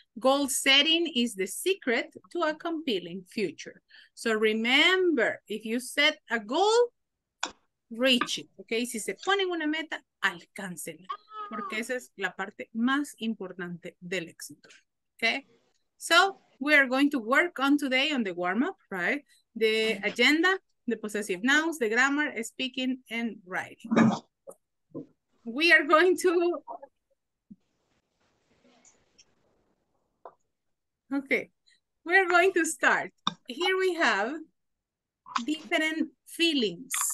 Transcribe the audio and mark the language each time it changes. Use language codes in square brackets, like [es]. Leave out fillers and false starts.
[en] Goal setting is the secret to a compelling future. So remember, if you set a goal, reach it. [es] Okay, si se ponen una meta, alcáncenla. Porque esa es la parte más importante del éxito. [en] Okay, so we are going to work on today on the warm up, right? The agenda, the possessive nouns, the grammar, speaking, and writing. We are going to. Okay, we're going to start. Here we have different feelings.